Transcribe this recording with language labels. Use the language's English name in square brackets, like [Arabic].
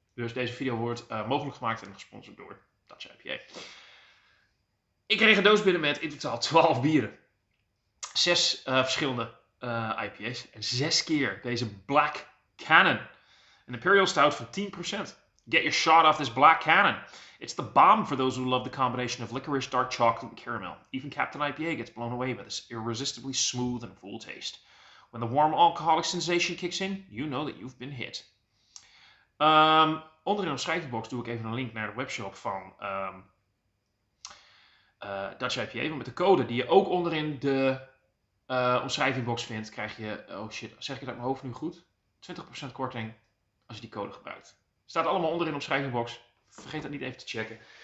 [Dutch] Dus deze video wordt mogelijk gemaakt en gesponsord door Dutch IPA. Ik kreeg een doos binnen met in totaal 12 bieren. 6 verschillende IPA's. En 6 keer deze Black Cannon. Een Imperial Stout van 10%. [English] Get your shot off this Black Cannon. It's the bomb for those who love the combination of licorice, dark chocolate and caramel. Even Captain IPA gets blown away by this irresistibly smooth and full taste. When the warm alcoholic sensation kicks in, you know that you've been hit. [Dutch] Onder in de omschrijvingsbox doe ik even een link naar de webshop van Dutch IPA, want met de code die je ook onderin de omschrijvingbox vindt, krijg je, oh shit, zeg ik dat uit mijn hoofd nu goed? 20% korting als je die code gebruikt. Staat allemaal onderin de omschrijvingbox, vergeet dat niet even te checken.